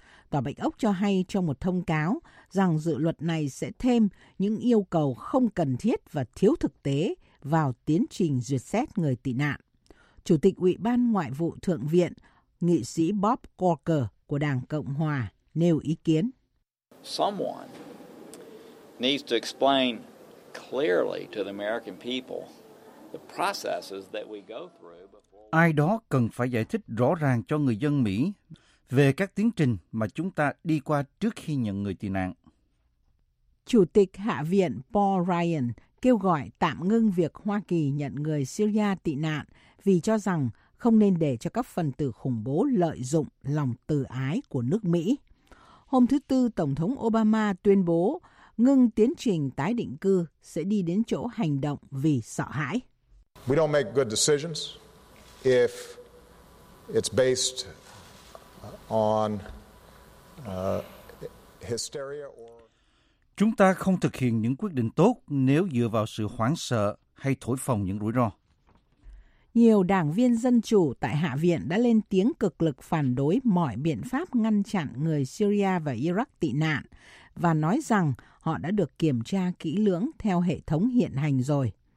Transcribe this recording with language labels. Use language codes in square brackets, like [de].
[vi] Tòa Bạch Ốc cho hay trong một thông cáo rằng dự luật này sẽ thêm những yêu cầu không cần thiết và thiếu thực tế vào tiến trình duyệt xét người tị nạn. Chủ tịch Ủy ban Ngoại vụ Thượng viện, nghị sĩ Bob Corker của Đảng Cộng Hòa nêu ý kiến. [en] Someone needs to explain clearly to the American people the processes that we go through before. [vi] Ai đó cần phải giải thích rõ ràng cho người dân Mỹ về các tiến trình mà chúng ta đi qua trước khi nhận người tị nạn. Chủ tịch Hạ viện Paul Ryan kêu gọi tạm ngưng việc Hoa Kỳ nhận người Syria tị nạn vì cho rằng không nên để cho các phần tử khủng bố lợi dụng lòng từ ái của nước Mỹ. Hôm thứ Tư, Tổng thống Obama tuyên bố ngưng tiến trình tái định cư sẽ đi đến chỗ hành động vì sợ hãi. [en] We don't make good decisions if it's based on hysteria or... [vi] Chúng ta không thực hiện những quyết định tốt nếu dựa vào sự hoảng sợ hay thổi phồng những rủi ro. Nhiều đảng viên Dân Chủ tại Hạ viện đã lên tiếng cực lực phản đối mọi biện pháp ngăn chặn người Syria và Iraq tị nạn và nói rằng họ đã được kiểm tra kỹ lưỡng theo hệ thống hiện hành rồi.